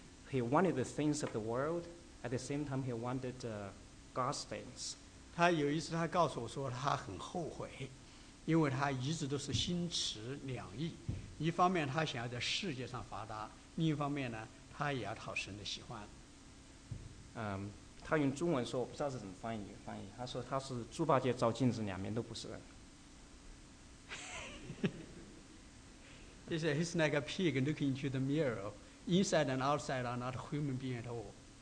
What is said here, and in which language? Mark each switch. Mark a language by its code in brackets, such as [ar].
[en] He wanted the things of the world, at the same time he wanted God's things. [zh] 他有一次他告诉我说他很后悔，因为他一直都是心持两意，一方面他想要在世界上发达，另一方面呢，他也要讨神的喜欢。他用中文说，我不知道是怎么翻译，他说他是猪八戒照镜子，两面都不是人。 [en] He said he's like a pig looking into the mirror. Inside and outside are not human beings at all.